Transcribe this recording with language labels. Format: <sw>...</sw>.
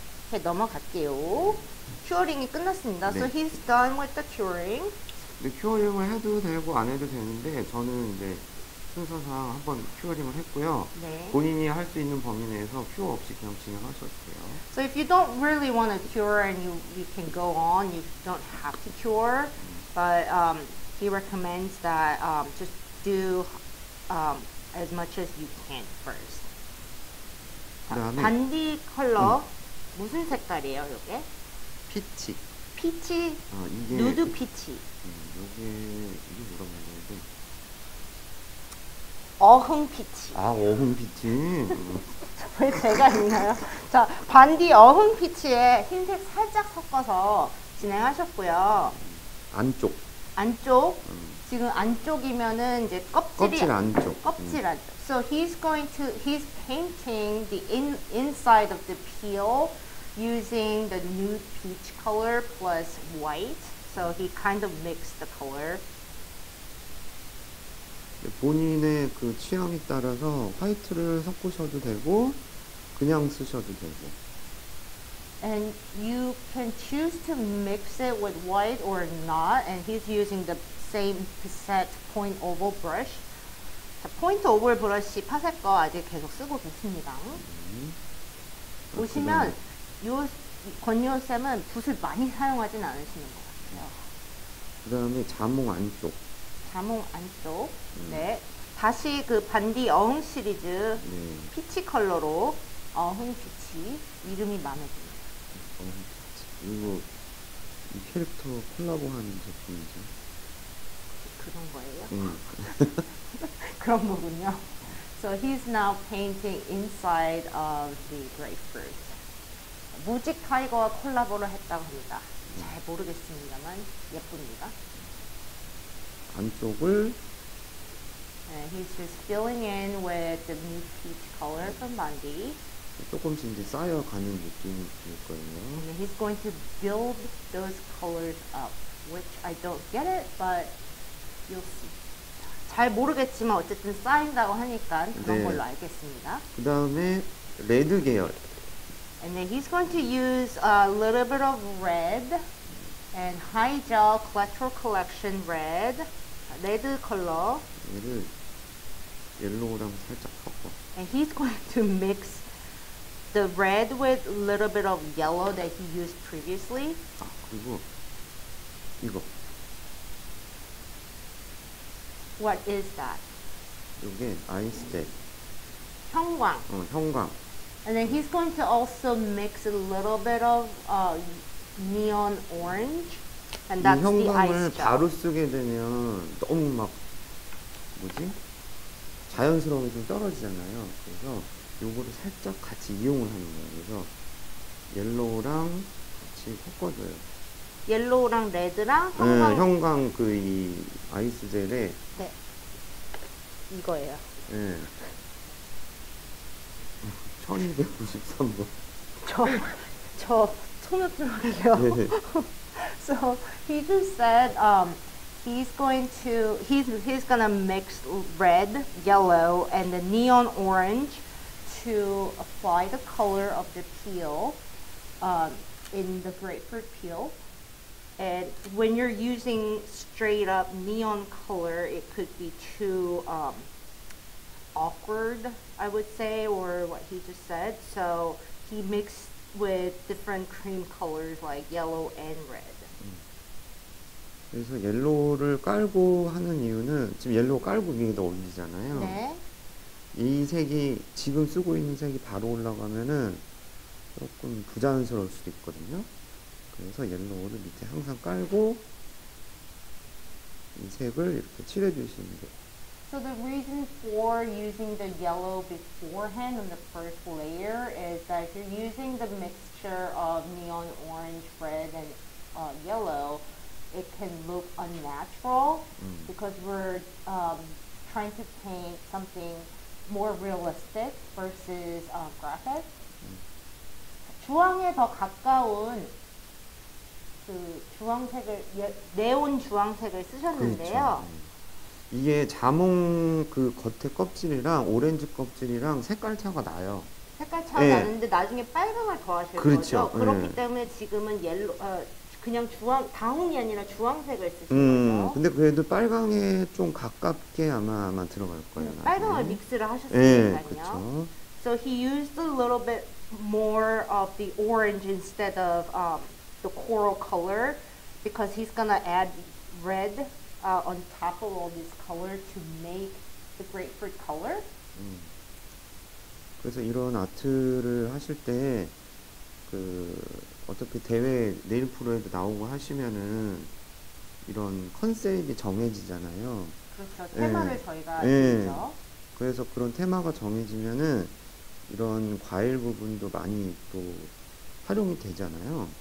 <ko>이렇게 넘어갈게요. 큐어링이 끝났습니다. 네.</ko> <en>So he's done with the curing.</en> <ko>근데 큐어링을 해도 되고 안 해도 되는데 저는 이제 순서상 한번 큐어링을 했고요. 네. 본인이 할 수 있는 범위 내에서 큐어 없이 그냥 진행하셔도 돼요.</ko> <en>So if you don't really want to cure and you can go on, you don't have to cure, but he recommends that just do as much as you can first.</en> <ko>그다음에 반디 컬러 무슨 색깔이에요, 이게? 피치. 피치. 아, 이게 누드 피치. 이게 뭐라고 해야 되는데? 어흥 피치. 아, 어흥 피치. 왜 제가 있나요? 자, 반디 어흥 피치에 흰색 살짝 섞어서 진행하셨고요. 안쪽. 안쪽. 지금 안쪽이면은 이제 껍질이 안쪽. 껍질 안쪽.</ko> <en>So he's painting the inside of the peel using the nude peach color plus white. So he kind of mixed the color.</en> <ko>본인의 그 취향에 따라서 화이트를 섞으셔도 되고 그냥 쓰셔도 되고.</ko> <en>And you can choose to mix it with white or not. And he's using the same set point oval brush.</en> <ko>자, 포인트 오벌 브러쉬 파색 거 아직 계속 쓰고 계십니다. 보시면 권유호 쌤은 붓을 많이 사용하진 않으시는 것 같아요. 그 다음에 자몽 안쪽. 자몽 안쪽. 네. 다시 그 반디 어흥 시리즈 피치 컬러로 어흥 피치 이름이 마음에 듭니다. 어흥 피치. 이거 이 캐릭터 콜라보 하는 제품이죠. 그런 거예요? 네. 그런 거군요.</ko> <en>So he's now painting inside of the grapefruit.</en> <ko>무지 타이거와 콜라보를 했다고 합니다. 잘 모르겠습니다만 예쁩니다. 안쪽을</ko> <en>he's just filling in with the new peach color from Bandi.</en> <ko>조금씩 이제 쌓여가는 느낌일 거예요.</ko> <en>And he's going to build those colors up, which I don't get it, but you'll see.</en> <ko>잘 모르겠지만 어쨌든 쌓인다고 하니까 그런 네. 걸로 알겠습니다. 그 다음에 레드 계열.</ko> <en>And then he's going to use a little bit of red and high gel collateral collection red, red color.</en> <ko>얘를 옐로우랑 살짝 섞어.</ko> <en>And he's going to mix the red with a little bit of yellow that he used previously.</en> <ko>아, 그리고 이거.</ko> <en>What is that?</en> <ko>이게 아이스텍. 형광. 어, 형광.</ko> <en>And then he's going to also mix a little bit of neon orange. And that's the ice gel.</en> <ko>이 형광을 바로 쓰게 되면 너무 막, 뭐지? 자연스러움이 좀 떨어지잖아요. 그래서 요거를 살짝 같이 이용을 하는 거예요. 그래서 옐로우랑 같이 섞어줘요. 옐로우랑 레드랑 형광. 네, 형광 그 이 아이스 젤에. 네. 이거예요. 네. 1293번. 저 손을 들어갈게요.</ko> <en>So he just said he's gonna mix red, yellow, and the neon orange to apply the color of the peel in the grapefruit peel. And when you're using straight up neon color, it could be too awkward, I would say, or what he just said. So he mixed with different cream colors like yellow and red.</en> <ko>그래서 옐로우를 깔고 하는 이유는 지금 옐로우 깔고 위에다 올리잖아요. 네. 이 색이 지금 쓰고 있는 색이 바로 올라가면은 조금 부자연스러울 수도 있거든요. 그래서 옐로우를 밑에 항상 깔고 이 색을 이렇게 칠해 주시는 게.</ko> <en>So the reason for using the yellow beforehand on the first layer is that if you're using the mixture of neon orange, red, and yellow, it can look unnatural because we're trying to paint something more realistic versus graphic.</en> <ko>주황에 더 가까운 그 주황색을, 네온 주황색을 쓰셨는데요. 이게 자몽 그 겉에 껍질이랑 오렌지 껍질이랑 색깔 차가 나요. 색깔 차가 네. 나는데 나중에 빨강을 더하실 그렇죠. 거죠? 그렇기 네. 때문에 지금은 옐로 그냥 주황, 다홍이 아니라 주황색을 쓰신 거죠. 근데 그래도 빨강에 좀 가깝게 아마 들어갈 거예요. 빨강을 나중에. 믹스를 하셨으니까요. 네, 그렇죠.</ko> <en>So he used a little bit more of the orange instead of the coral color because he's gonna add red on top of all this color to make the grapefruit color.</en> <ko>그래서 이런 아트를 하실 때 그 어차피 대회 네일 프로에도 나오고 하시면은 이런 컨셉이 정해지잖아요. 그렇죠. 테마를 네. 저희가 있죠. 네. 그래서 그런 테마가 정해지면은 이런 과일 부분도 많이 또 활용이 되잖아요.</ko>